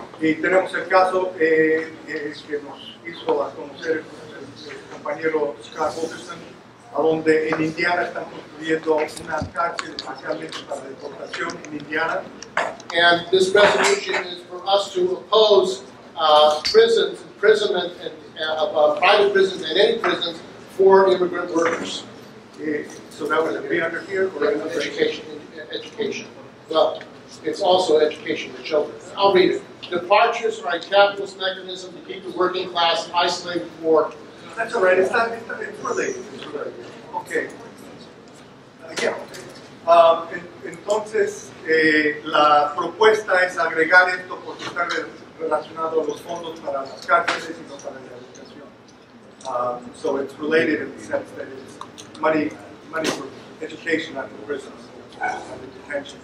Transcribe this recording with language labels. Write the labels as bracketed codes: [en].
[es] Y tenemos el caso que nos hizo a conocer el compañero Scott Holgerson, donde en Indiana están construyendo una cárcel especialmente para deportación en Indiana. [en] And this resolution is for us to oppose prisons, imprisonment, and private prisons and any prisons for immigrant workers. So that would be under here, or yeah, under education. Well, it's also education for children. I'll read it. Departures are a capitalist mechanism to keep the working class isolated from war. That's all right. It's not related. Okay. Yeah. [es] Entonces, la propuesta es agregar esto porque está relacionado a los fondos para las cárceles y no para la educación. [en] So it's related in the sense that it's money for education at the prisons and detention.